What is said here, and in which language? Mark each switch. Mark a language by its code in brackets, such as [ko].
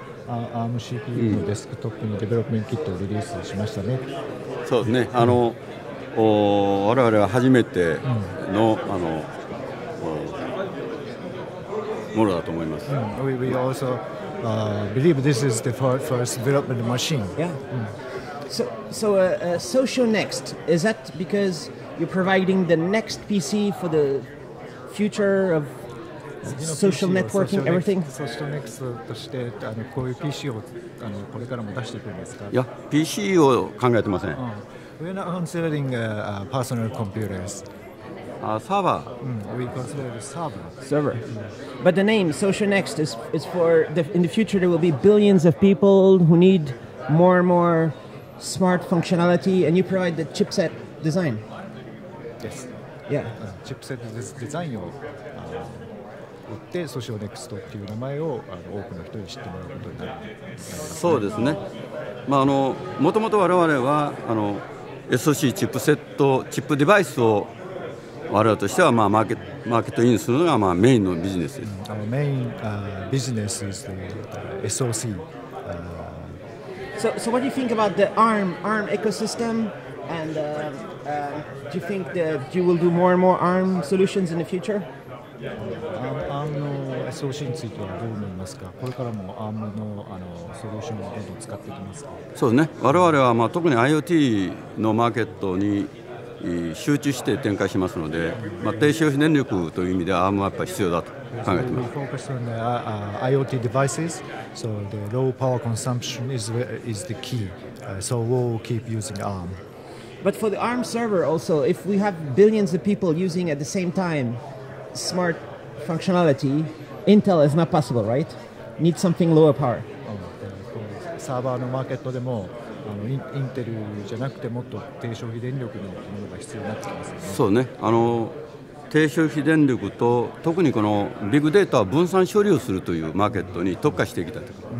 [ja] ARM CPU のデスクトップのデベロップメントキットをリリースしましたね。そうですね。我々は初めての、ものだと思います。 Mm. [en] We also believe this is the first development machine. Yeah. Mm. So, Socionext, is that because you're providing the next PC for the future of social networking, everything? [ja] Socionext としてこういう PC をこれからも出していくんですか？いや、PC を考えてません。 [en] We're not considering personal computers. Server. Mm, we consider it a server. Server. Mm. But the name Socionext is for the, in the future there will be billions of people who need more and more smart functionality, and you provide the chipset design. Yes. Yeah. [ja] Chipset design を売って Socionext っていう名前を多くの人に知ってもらうことになる。そうですね。まあもともと我々はSoC チップセットチップデバイスを我々としてはまあマーケットインするのがまあメインのビジネスです。メインビジネスですね。 SoC。 [en] So what do you think about the ARM ecosystem? And do you think that you will do more and more ARM solutions in the future? [ja] ARM のSoCについてはどう思いますか？これからも ARM のソリューションをどんどん使っていきますか？そうですね。我々は、まあ、特に IoT のマーケットに集中して展開しますので、まあ、低消費電力という意味では ARM はやっぱり必要だと考えています。 [en] So we focus on IoT devices, so the low power consumption is the key, so we'll keep using ARM. But for the ARM server also, if we have billions of people using at the same time smart functionality, Intel is not possible, right? Need something lower power. [ja] サーバーのマーケットでも、インテルじゃなくてもっと低消費電力のものが必要になってきますね。そうね。低消費電力と特にこのビッグデータを分散処理をするというマーケットに特化していきたいと。